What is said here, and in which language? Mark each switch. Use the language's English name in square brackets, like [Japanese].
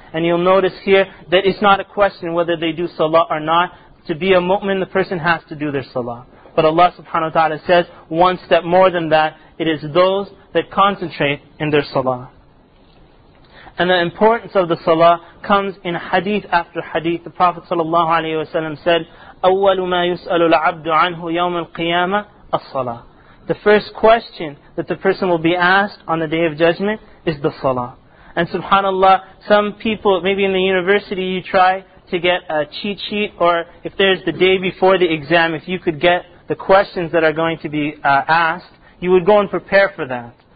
[English] And you'll notice here that it's not a question whether they do salah or not. To be a mu'min, the person has to do their salah. But Allah subhanahu wa ta'ala says one step more than that, it is those that concentrate in their salah. And the importance of the salah comes in hadith after hadith. The Prophet sallallahu alayhi wa sallam said, [Arabic] أَوَّلُ مَا يُسْأَلُ الْعَبْدُ عَنْهُ يَوْمَ الْقِيَامَةِ الصَّلَاةِ. [English] The first question that the person will be asked on the Day of Judgment is the salah. And subhanAllah, some people, maybe in the university, you try to get a cheat sheet, or if there's the day before the exam, if you could get the questions that are going to be asked, you would go and prepare for that.